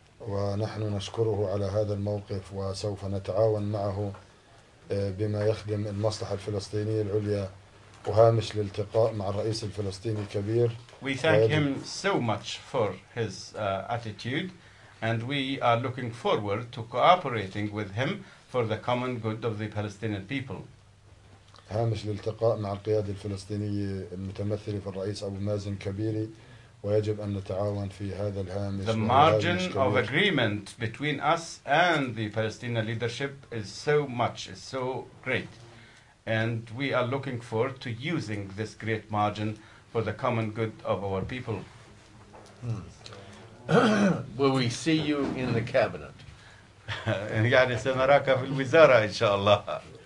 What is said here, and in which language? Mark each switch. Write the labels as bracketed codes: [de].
[ar] ونحن نشكره على هذا الموقف وسوف نتعاون معه بما يخدم المصلحة الفلسطينية العليا وهامش الالتقاء مع الرئيس الفلسطيني الكبير. [en] We thank him so much for his attitude. And we are looking forward to cooperating with him for the common good of the Palestinian people. [ar] هامش الالتقاء مع القيادة الفلسطينية المتمثلة في الرئيس أبو مازن كبيري ويجب أن نتعاون في هذا الهامش. [en] The margin of agreement between us and the Palestinian leadership is so much, is so great. And we are looking forward to using this great margin for the common good of our people. Will we see you in the cabinet? [ar] يعني سنراك في الوزارة إن شاء الله.